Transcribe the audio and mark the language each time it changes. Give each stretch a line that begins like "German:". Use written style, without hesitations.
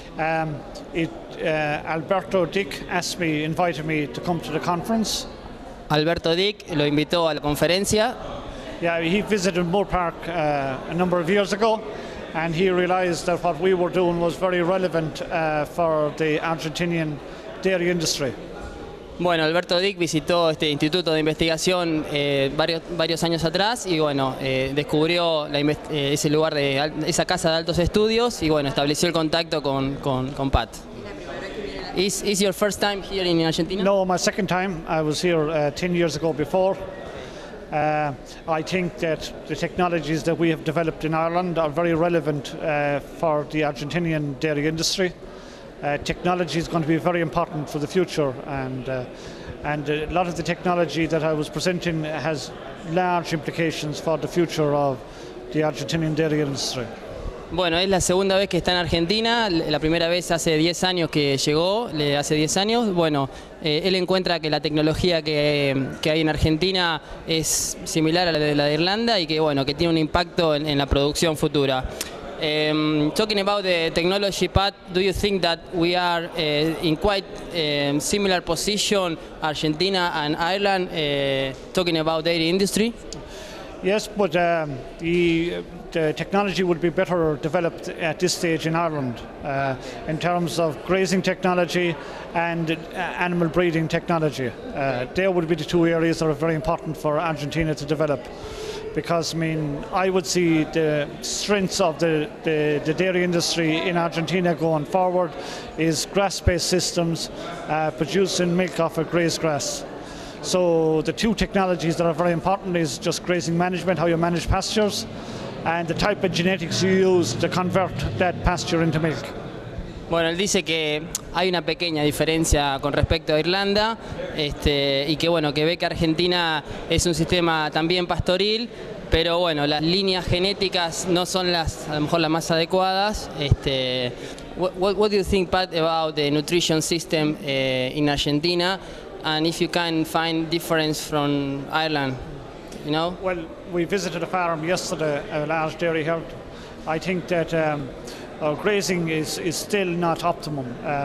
English: Alberto Dick invited me to come to the conference.
Spanish: Alberto Dick lo invitó a la conferencia.
English: Yeah, he visited Moor Park a number of years ago, and he realized that what we were doing was very relevant for the Argentinian dairy industry.
Spanish: Bueno, Alberto Dick visitó este instituto de investigación varios años atrás y bueno, descubrió ese lugar de esa casa de altos estudios y bueno, estableció el contacto con Pat.
English: Is your first time here in Argentina? No, my second time. I was here 10 years ago before. I think that the technologies that we have developed in Ireland are very relevant for the Argentinian dairy industry. Technology is going to be very important for the future, and a lot of the technology that I was presenting has large implications for the future of the Argentinian dairy industry.
Spanish: Bueno, es la segunda vez que está en Argentina. La primera vez hace 10 años que llegó, hace 10 años. Bueno, él encuentra que la tecnología que hay en Argentina es similar a la de Irlanda y que bueno, que tiene un impacto en la producción futura.
English: Talking about the technology, Pat, do you think that we are in quite a similar position, Argentina and Ireland, talking about dairy industry? Yes, but the technology would be better developed at this stage in Ireland in terms of grazing technology and animal breeding technology. There would be the two areas that are very important for Argentina to develop. Because, I mean, I would see the strengths of the dairy industry in Argentina going forward is grass-based systems producing milk off of grazed grass. So the two technologies that are very important is just grazing management, how you manage pastures, and the type of genetics you use to convert that pasture into milk.
Spanish: Bueno, él dice que hay una pequeña diferencia con respecto a Irlanda y que bueno, que ve que Argentina es un sistema también pastoril, pero bueno, las líneas genéticas no son las a lo mejor las más adecuadas.
English: What do you think, Pat, about the nutrition system in Argentina, and if you can find difference from Ireland, you know? Well, we visited a farm yesterday, a large dairy herd. I think that our grazing is still not optimum.